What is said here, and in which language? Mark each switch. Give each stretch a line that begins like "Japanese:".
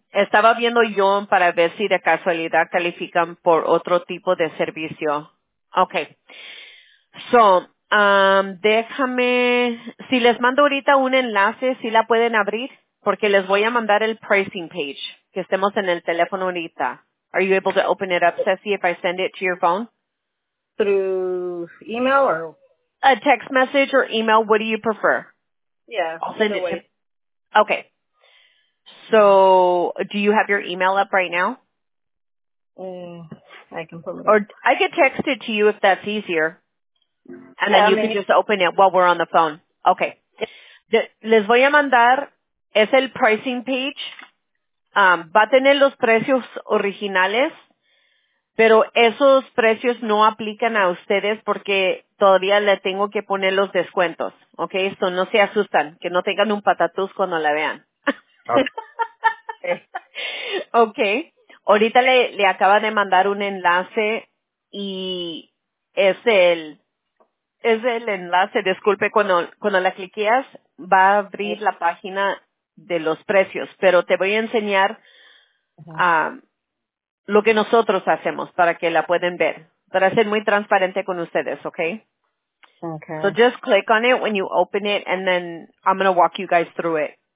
Spanish: Estaba viendo yo para ver si de casualidad califican por otro tipo de servicio. Okay. So, déjame, si les mando ahorita un enlace, ¿sí la pueden abrir? Porque les voy a mandar el pricing page, que estemos en el teléfono ahorita.
English: Are you able to open it up, Ceci, if I send it to your phone? Through email or... A text message or email, what do you prefer? Yeah. I'll send it to you. Okay. So, do you have your email up right now? I can put it. Or I could text it to you if that's easier. And then you can just open it while we're on the phone.
Spanish: Okay. Les voy a mandar, es el pricing page. Va a tener los precios originales, pero esos precios no aplican a ustedes porque todavía le tengo que poner los descuentos. Okay, esto no se asustan, que no tengan un patatús cuando la vean. Oh. Okay, ahorita le acaba de mandar un enlace y es el enlace, disculpe, cuando la cliqueas va a abrir la página de los precios, pero te voy a enseñar lo que nosotros hacemos para que la pueden ver, para ser muy transparente con ustedes, okay? Okay.
English: So just click on it when you open it and then I'm going to walk you guys through it.